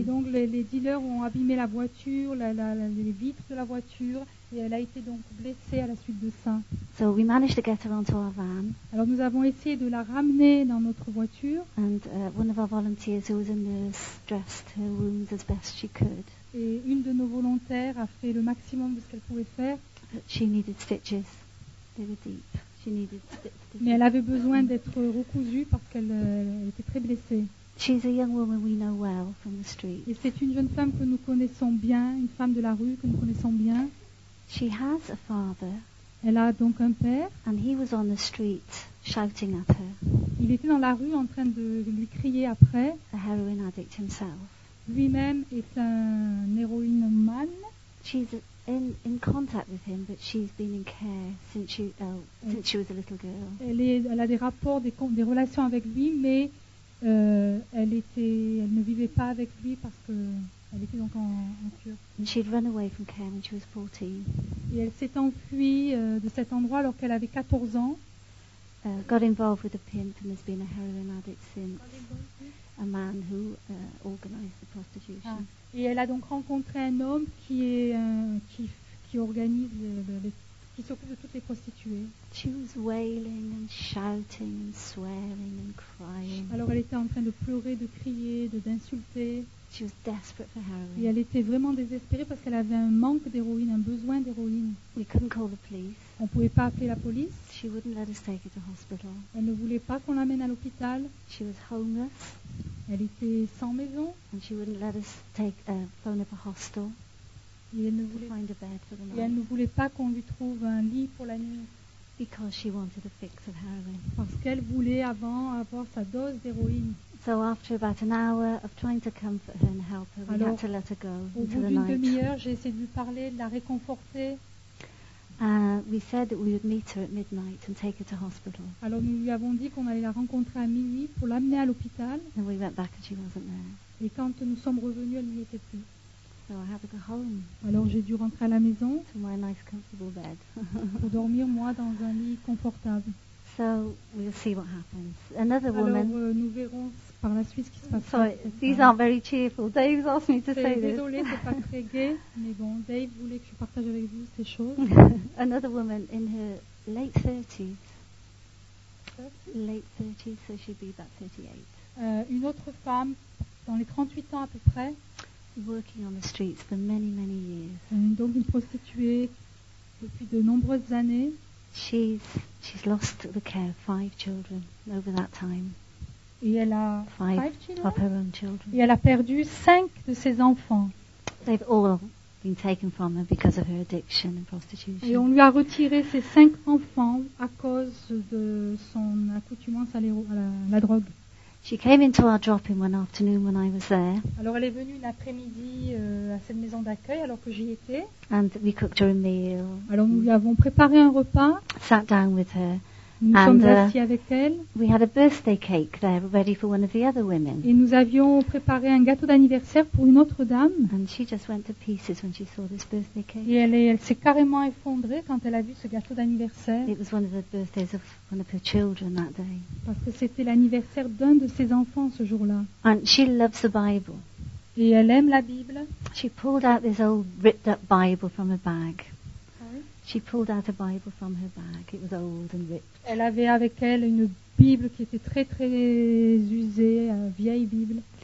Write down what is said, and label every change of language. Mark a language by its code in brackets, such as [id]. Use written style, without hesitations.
[fr] Et donc les dealers ont abîmé la voiture, les vitres de la voiture. Et elle a été donc blessée à la suite de ça. [en] So we managed to get her onto our van. [fr] Alors nous avons essayé de la ramener dans notre voiture. [en] And one of our volunteers, who was a nurse, dressed her wounds as best she could. [fr] Et une de nos volontaires a fait le maximum de ce qu'elle pouvait faire. [en] But she needed stitches. They were deep. She needed stitches. [fr] Mais elle avait besoin d'être recousue parce qu'elle était très blessée. [en] She's a young woman we know well from the street. [fr] Et c'est une jeune femme que nous connaissons bien, une femme de la rue que nous connaissons bien. [en] She has a father. [fr] Elle a donc un père. [en] And he was on the street shouting at her. [fr] Il était dans la rue en train de lui crier après. [en] A heroin addict himself. [fr] Lui-même est un héroïnoman. [en] She's in contact with him, but she's been in care since she was a little girl. [fr] Elle a des rapports, des relations avec lui, mais elle ne vivait pas avec lui parce que. Elle était donc en cure. [en] And she'd run away from care when she was 14. [fr] Et elle s'est enfuie de cet endroit alors qu'elle avait 14 ans. [en] Got involved with a pimp and has been a heroin addict since. A man who organized the prostitution. Ah. [fr] Et elle a donc rencontré un homme qui est qui organise qui s'occupe de toutes les prostituées. [en] She was wailing and shouting and swearing and crying. [fr] Alors elle était en train de pleurer, de crier, d'insulter. [en] She was desperate for heroin. [fr] Et elle était vraiment désespérée parce qu'elle avait un manque d'héroïne, un besoin d'héroïne. [en] We couldn't call the police. [fr] On ne pouvait pas appeler la police. [en] She wouldn't let us take her to hospital. [fr] Elle ne voulait pas qu'on l'amène à l'hôpital. [en] She was homeless. [fr] Elle était sans maison. [en] And she wouldn't let us take phone up a hostel. [fr] Et elle ne voulait, [en] to find a bed for the night. [fr] Et elle ne voulait pas qu'on lui trouve un lit pour la nuit. [en] Because she wanted a fix of heroin. [fr] Parce qu'elle voulait avant avoir sa dose d'héroïne. [en] So after about an hour of trying to comfort her and help her, [fr] Alors, [en] we had to let her go into the night. [fr] Au bout d'une demi-heure, j'ai essayé de lui parler, de la réconforter. [en] We said that we would meet her at midnight and take her to hospital. [fr] Alors nous lui avons dit qu'on allait la rencontrer à minuit pour l'amener à l'hôpital. [en] And we went back and she wasn't there. [fr] Et quand nous sommes revenus, elle n'y était plus. [en] So I had to go home. [fr] Alors j'ai dû rentrer à la maison. [en] To my nice comfortable bed. [fr] Pour dormir moi dans un lit confortable. [en] So we'll see what happens. Another woman. [fr] Alors nous verrons par la suite ce qui se passe. [en] Sorry, these aren't very cheerful. Dave's asked me to [fr] c'est, [en] say [fr] désolé, [en] this. [fr] Désolé, c'est pas très gai, mais bon, Dave voulait que je partage avec vous ces choses. [en] Another woman in her late 30s. So she'd be about 38. [fr] Une autre femme dans les 38 ans à peu près. [en] Working on the streets for many, many years. [fr] Donc une prostituée depuis de nombreuses années. [en] She's lost the care of 5 children over that time. [fr] Et elle a [en] 5 children? Her own children. [fr] Et elle a perdu 5 de ses enfants. [en] They've all been taken from her because of her addiction and prostitution. [fr] Et on lui a retiré ses 5 enfants à cause de son accoutumance à la drogue. [en] She came into our drop-in one afternoon when I was there. [fr] Alors elle est venue une après-midi à cette maison d'accueil alors que j'y étais. [en] And we cooked her a meal. [fr] Alors nous lui avons préparé un repas. [en] Sat down with her. [fr] Nous sommes assis avec elle. [en] We had a birthday cake there ready for one of the other women. [fr] Et nous avions préparé un gâteau d'anniversaire pour une autre dame. [en] And she just went to pieces when she saw this birthday cake. [fr] Et elle s'est carrément effondrée quand elle a vu ce gâteau d'anniversaire. [en] It was one of the birthdays of one of her children that day. [fr] Parce que c'était l'anniversaire d'un de ses enfants ce jour-là. [en] And she loves the Bible. [fr] Et elle aime la Bible. [en] She pulled out this old ripped up Bible from her bag. She pulled out a Bible from her bag. It was old and ripped. [fr] Elle avait avec elle une Bible qui était très très usée, une vieille Bible.